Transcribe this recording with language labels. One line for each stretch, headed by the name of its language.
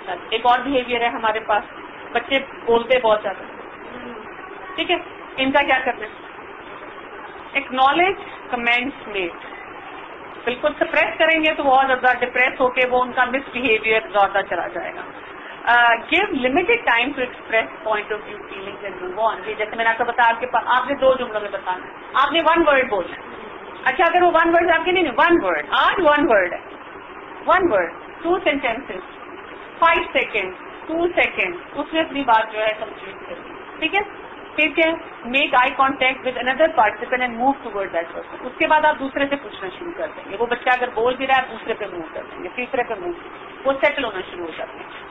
Urdu: ایک اور بیہیویئر ہے ہمارے پاس, بچے بولتے بہت زیادہ, ٹھیک ہے, ان کا کیا کرنا ہے, اکنالج کمینٹس میٹ, بالکل سپریس کریں گے تو وہ اور زیادہ ڈپریس ہو کے وہ ان کا مس بہیویئر زیادہ چلا جائے گا.
English: Give limited time to express point of view, feelings and move on.
Urdu: جیسے میں نے آپ کو بتایا آپ کے پاس آپ نے دو جملوں میں بتانا, آپ نے ون ورڈ بولا, اچھا اگر وہ ون ورڈ آپ کے نہیں ون ورڈ آج ون ورڈ ہے, one word to sentences five second to second اس نے اپنی بات جو ہے کمپلیٹ کر دی, ٹھیک ہے. پھر کیا
English: make eye contact with another participant and move toward that person,
Urdu: اس کے بعد آپ دوسرے سے پوچھنا شروع کر دیں گے, وہ بچہ اگر بول بھی رہا ہے دوسرے پہ موو کر دیں گے تیسرے پہ موو, وہ سیٹل ہونا شروع ہو جاتے ہیں.